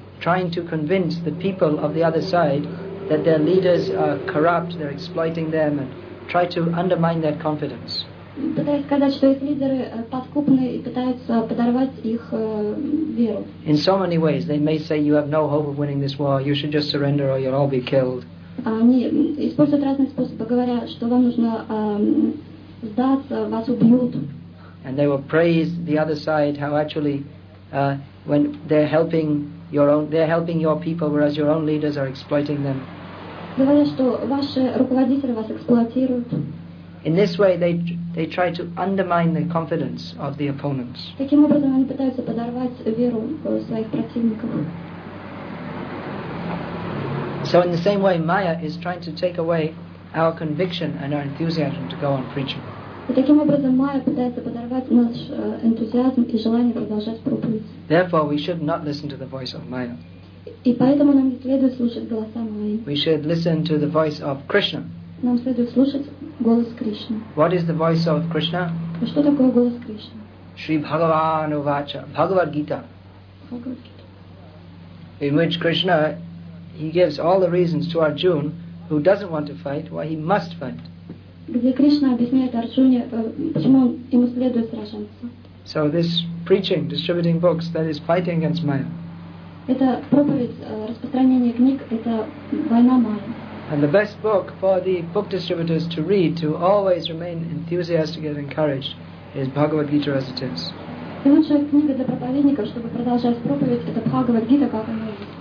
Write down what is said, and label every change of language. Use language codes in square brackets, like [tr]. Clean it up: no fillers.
[en] Trying to convince the people of the other side that their leaders are corrupt, they're exploiting them, and try to undermine their confidence. [ru] Пытаясь сказать, что их лидеры подкупны и пытаются подорвать их веру. [en] In so many ways, they may say you have no hope of winning this war. You should just surrender, or you'll all be killed. [ru] Они используют разные способы, говоря, что вам нужно сдаться, вас убьют. [en] And they will praise the other side how actually when they're helping your own, they're helping your people, whereas your own leaders are exploiting them. [ru] Говорят, что ваши руководители вас эксплуатируют. [en] In this way, they try to undermine the confidence of the opponents. [ru] Таким образом, они пытаются подорвать веру своих противников. [en] So in the same way, Maya is trying to take away our conviction and our enthusiasm to go on preaching. [ru] Таким образом, Майя пытается подорвать наш энтузиазм и желание продолжать проповедь. [en] Therefore, we should not listen to the voice of Maya. [ru] И поэтому нам не следует слушать голоса Майи. [en] We should listen to the voice of Krishna. [ru] Нам следует слушать голос Кришны. [en] What is the voice of Krishna? [ru] Что такое голос Кришны? [en] Shri Bhagavan Uvacha, Bhagavad Gita. Bhagavad Gita. In which Krishna, he gives all the reasons to Arjuna, who doesn't want to fight, why he must fight. [ru] Где Кришна объясняет Арджуне, почему ему следует сражаться. [en] So this preaching, distributing books, that is fighting against Maya. [ru] Это проповедь, распространение книг, это война Майя. [en] And the best book for the book distributors to read to always remain enthusiastic and encouraged is Bhagavad Gita as it is. [ru] И лучшая книга для проповедников, чтобы продолжать проповедь, это Бхагавад Гита, как она есть.